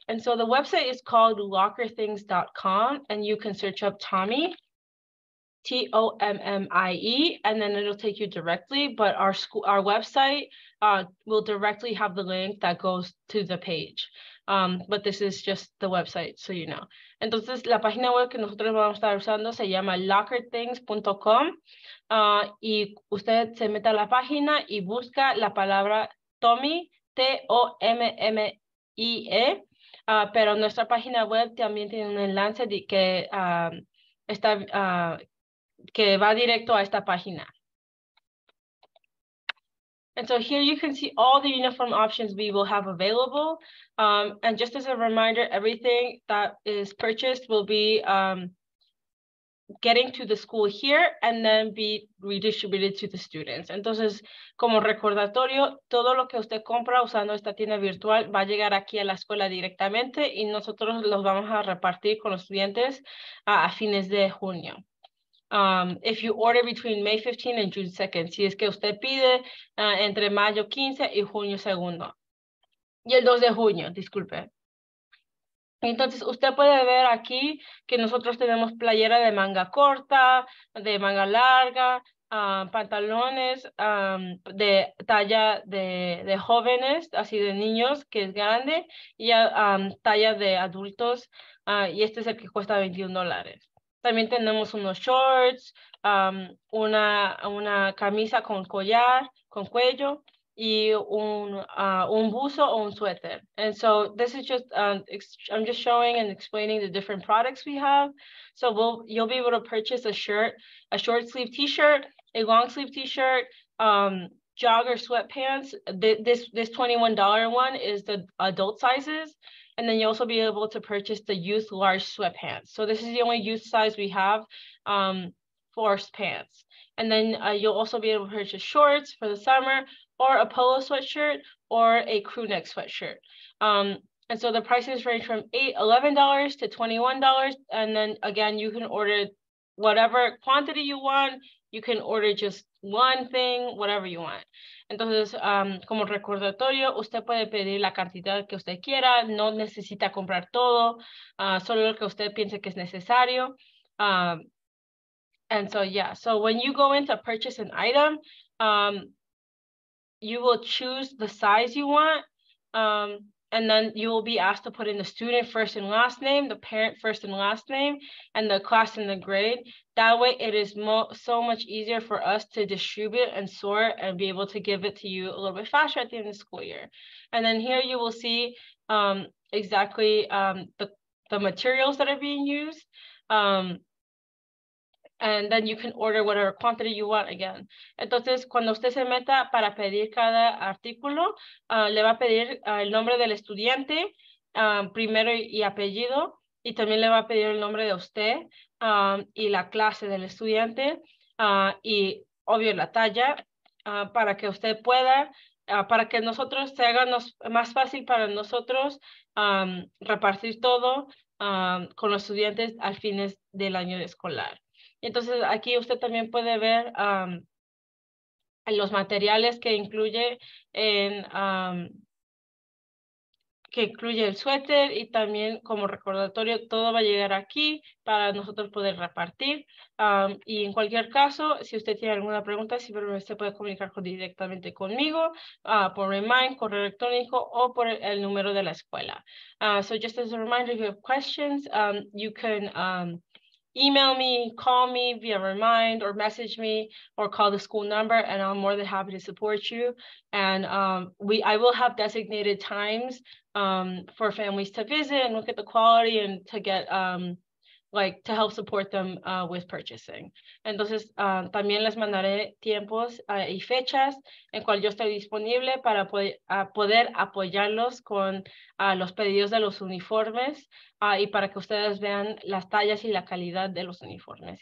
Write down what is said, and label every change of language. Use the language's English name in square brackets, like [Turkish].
[English] And so the website is called lockerthings.com, and you can search up Tommy, T-O-M-M-I-E, and then it'll take you directly. But our website will directly have the link that goes to the page. But this is just the website, so you know. [Spanish] Entonces, la página web que nosotros vamos a estar usando se llama lockerthings.com. Y usted se mete a la página y busca la palabra Tommy, T-O-M-M-I-E. Pero nuestra página web también tiene un enlace que va directo a esta página. [English] And so here you can see all the uniform options we will have available. And just as a reminder, everything that is purchased will be getting to the school here and then be redistributed to the students. [Spanish] Entonces, como recordatorio, todo lo que usted compra usando esta tienda virtual va a llegar aquí a la escuela directamente y nosotros los vamos a repartir con los estudiantes a fines de junio. [English] If you order between May 15 and June 2nd, [Spanish] si es que usted pide entre mayo 15 y junio 2nd, y el 2 de junio, disculpe. Entonces, usted puede ver aquí que nosotros tenemos playera de manga corta, de manga larga, pantalones de talla de jóvenes, así de niños, que es grande, y talla de adultos, y este es el que cuesta $21. También tenemos unos shorts, una camisa con collar, con cuello, y un buzo o un suéter. [English] And so this is just, I'm just showing and explaining the different products we have. So you'll be able to purchase a shirt, a short sleeve t-shirt, a long sleeve t-shirt, jogger sweatpants. This $21 one is the adult sizes. And then you'll also be able to purchase the youth large sweatpants. So this is the only youth size we have for pants. And then you'll also be able to purchase shorts for the summer, or a polo sweatshirt, or a crew neck sweatshirt. And so the prices range from $11 to $21. And then again, you can order whatever quantity you want. You can order just one thing, whatever you want. [Spanish] Entonces, como recordatorio, usted puede pedir la cantidad que usted quiera. No necesita comprar todo, solo lo que usted piense que es necesario. [English] And so, yeah, so when you go in to purchase an item, you will choose the size you want, and then you will be asked to put in the student first and last name, the parent first and last name, and the class and the grade. That way it is so much easier for us to distribute and sort and be able to give it to you a little bit faster at the end of the school year. And then here you will see exactly the materials that are being used. And then you can order whatever quantity you want again. [Spanish] Entonces, cuando usted se meta para pedir cada artículo, le va a pedir el nombre del estudiante, primero y apellido, y también le va a pedir el nombre de usted y la clase del estudiante, y obvio la talla, para que usted pueda, para que nosotros se haga más fácil para nosotros repartir todo con los estudiantes al fines del año escolar. Entonces, aquí usted también puede ver los materiales que incluye el suéter y también como recordatorio, todo va a llegar aquí para nosotros poder repartir. Y en cualquier caso, si usted tiene alguna pregunta, siempre se puede comunicar directamente conmigo por Remind, correo electrónico o por el número de la escuela. [English] So just as a reminder, if you have questions, you can email me, call me via Remind, or message me, or call the school number, and I'm more than happy to support you. And I will have designated times for families to visit and look at the quality and to get to help support them with purchasing. [Spanish] Entonces, también les mandaré tiempos y fechas en cual yo estoy disponible para poder apoyarlos con los pedidos de los uniformes y para que ustedes vean las tallas y la calidad de los uniformes.